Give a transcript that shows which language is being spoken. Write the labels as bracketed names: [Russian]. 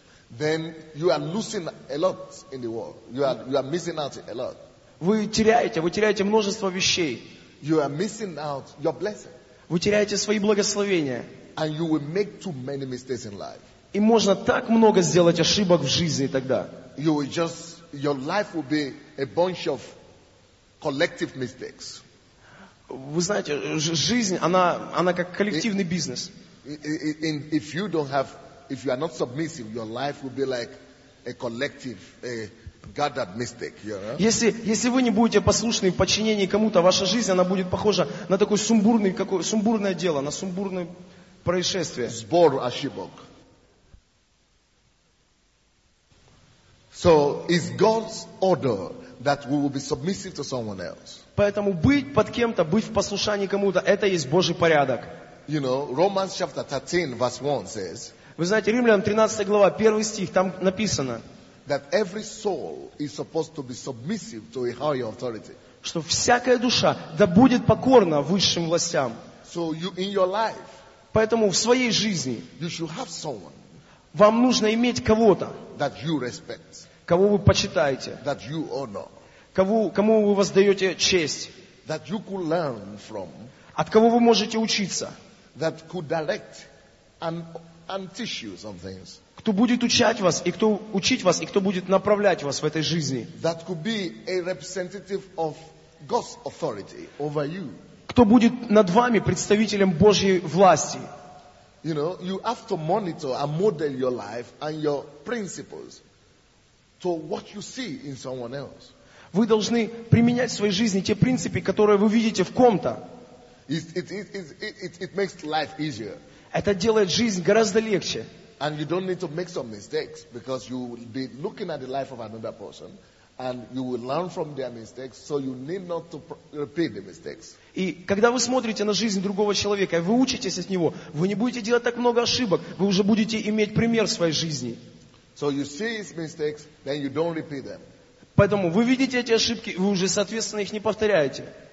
[English] then you are losing a lot in the world. You are missing out a lot. [Russian] Вы теряете множество вещей. [English] You are missing out your blessing. [Russian] Вы теряете свои благословения. [English] And you will make too many mistakes in life. [Russian] И можно так много сделать ошибок в жизни тогда. [English] You will just, your life will be a bunch of collective mistakes. [Russian] Вы знаете, жизнь, она как коллективный бизнес. [English] If you don't have, if you are not submissive, your life will be like a collective, a gathered mistake. You know? [Russian] Если вы не будете послушны в подчинении кому-то, ваша жизнь, она будет похожа на такое сумбурное дело, на сумбурное происшествие. Сбор ошибок. [English] So it's God's order that we will be submissive to someone else. [Russian] Поэтому быть под кем-то, быть в послушании кому-то, это есть Божий порядок. [English] You know, Romans chapter 13, verse 1 says, [Russian] вы знаете, Римлянам 13 глава, 1 стих, там написано, [English] that every soul is supposed to be submissive to a higher authority. [Russian] Что всякая душа да будет покорна высшим властям. [English] So you, in your life, [Russian] поэтому в своей жизни [English] you should have someone, [Russian] вам нужно иметь кого-то, [English] that you respect, [Russian] кого вы почитаете, [English] that you honor, [Russian] кому вы воздаете честь, [English] that you could learn from, [Russian] от кого вы можете учиться, [English] that could direct and teach you some things, [Russian] кто будет учать вас, и кто учить вас, и кто будет направлять вас в этой жизни, [English] that could be a representative of God's authority over you, [Russian] кто будет над вами представителем Божьей власти. [English] You know, you have to monitor and model your life and your principles to what you see in someone else. [Russian] Вы должны применять в своей жизни те принципы, которые вы видите в ком-то. [English] It makes life easier. [Russian] Это делает жизнь гораздо легче. [English] And you don't need to make some mistakes, because you will be looking at the life of another person and you will learn from their mistakes, so you need not to repeat the mistakes. [Russian] И когда вы смотрите на жизнь другого человека, и вы учитесь от него, вы не будете делать так много ошибок, вы уже будете иметь пример своей жизни. [English] So you see his mistakes, then you don't repeat them. [Russian] Поэтому вы видите эти ошибки, вы уже, соответственно, их не повторяете.